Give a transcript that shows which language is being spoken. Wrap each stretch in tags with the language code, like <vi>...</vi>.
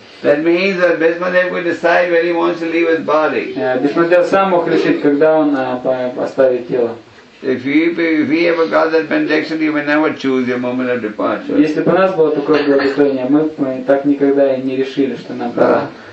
<en>That means that Bhishma Dev could decide when he wants to leave his body.</en> <ru>Бхишма Дев сам мог решить, когда он оставит тело.</ru> <en>If he ever got that benediction, he would never choose your moment of departure.</en> <ru>Если бы у нас было такое благословение, мы так никогда и не решили, что нам пора.</ru>